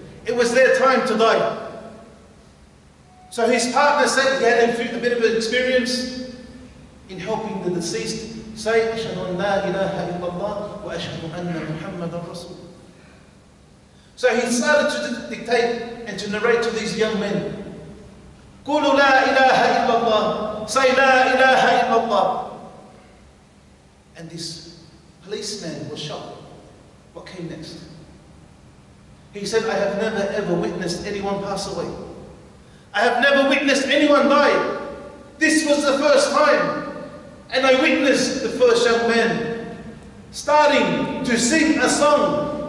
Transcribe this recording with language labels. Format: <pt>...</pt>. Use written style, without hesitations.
<en>It was their time to die. So his partner said he had a bit of an experience in helping the deceased say,</en> <ar>أشهد أن لا إله إلا الله وأشهد أن محمد رسول.</ar> <en>So he started to dictate and to narrate to these young men.</en> <ar>قُلُوا لَا إِلَهَ إِلَّا اللَّهِ</ar> <en>Say</en> <ar>لَا إِلَهَ إِلَّا اللَّهِ</ar> <en>And this policeman was shocked. What came next? He said, I have never ever witnessed anyone pass away. I have never witnessed anyone die. This was the first time. And I witnessed the first young man starting to sing a song.</en>